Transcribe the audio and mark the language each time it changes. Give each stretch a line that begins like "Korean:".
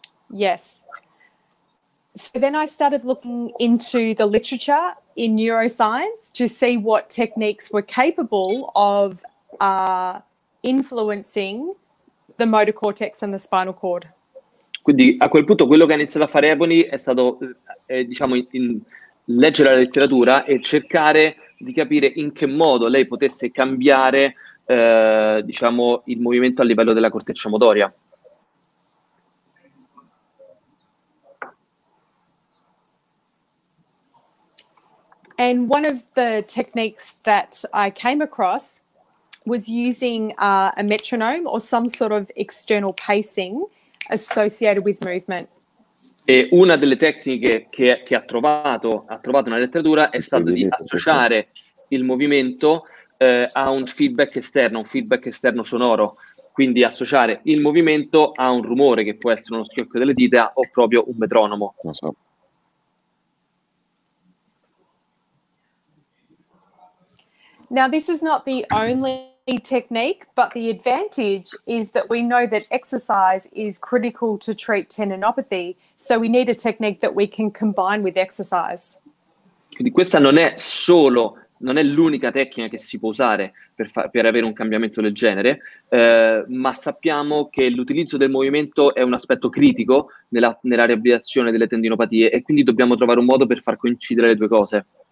English: Yes. So then I started looking into the literature in neuroscience to see what techniques were capable of influencing the motor cortex and the spinal cord.
Italian: Quindi a quel punto quello che ha iniziato a fare Ebony è stato, diciamo, in leggere la letteratura e cercare di capire in che modo lei potesse cambiare, diciamo, il movimento a livello della corteccia motoria.
English: And one of the techniques that I came across was using a metronome or some sort of external pacing associated with movement.
Italian: E una delle tecniche che ha trovato nella letteratura è stata di associare il movimento a un feedback esterno sonoro. Quindi associare il movimento a un rumore che può essere uno schiocco delle dita o proprio un metronomo.
English: Now, this is not the only technique, but the advantage is that we know that exercise is critical to treat tendinopathy, so we need a technique that we can combine with exercise.
Italian: Quindi questa non è solo non è l'unica tecnica che si può usare per avere un cambiamento del genere, ma sappiamo che l'utilizzo del movimento è un aspetto critico nella riabilitazione delle tendinopatie e quindi dobbiamo trovare un modo per far coincidere le due cose.